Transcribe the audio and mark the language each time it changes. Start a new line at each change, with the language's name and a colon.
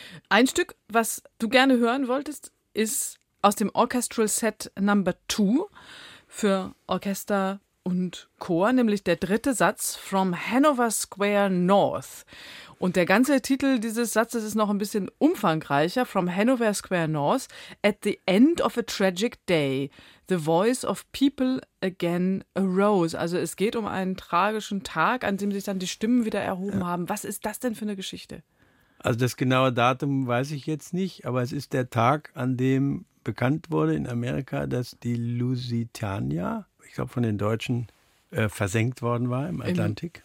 German: Ein Stück, was du gerne hören wolltest, ist aus dem Orchestral Set No. 2 für Orchester und Chor, nämlich der dritte Satz From Hanover Square North. Und der ganze Titel dieses Satzes ist noch ein bisschen umfangreicher.
English: From Hanover Square North, at the end of a tragic day, the voice of people again arose.
German: Also es geht um einen tragischen Tag, an dem sich dann die Stimmen wieder erhoben haben. Was ist das denn für eine Geschichte? Also das genaue Datum weiß ich jetzt nicht, aber es ist der Tag, an dem bekannt wurde in Amerika, dass die Lusitania, ich glaube von den Deutschen, versenkt worden war im Atlantik.